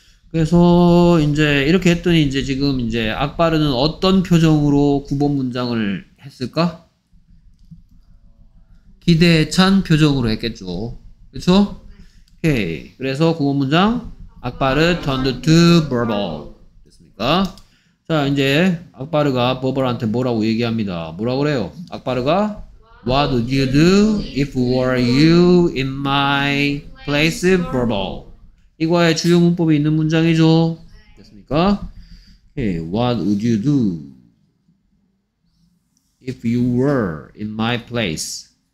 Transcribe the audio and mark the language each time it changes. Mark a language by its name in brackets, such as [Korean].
[Korean] 그래서 이제 이렇게 했더니 이제 지금 이제 악바르는 어떤 표정으로 9번 문장을 했을까? 기대에 찬 표정으로 했겠죠. 그쵸? 오케이. 그래서 9번 문장 악바르 [English] turned to verbal [Korean] 됐습니까? 자 이제 악바르가 버벌한테 뭐라고 얘기합니다. 뭐라고 그래요? [English] 악바르가 What would you do if were you in my place, verbal? [Korean] 이거의 주요 문법이 있는 문장이죠. 됐습니까? [English] Okay, what would you do if you were in my place?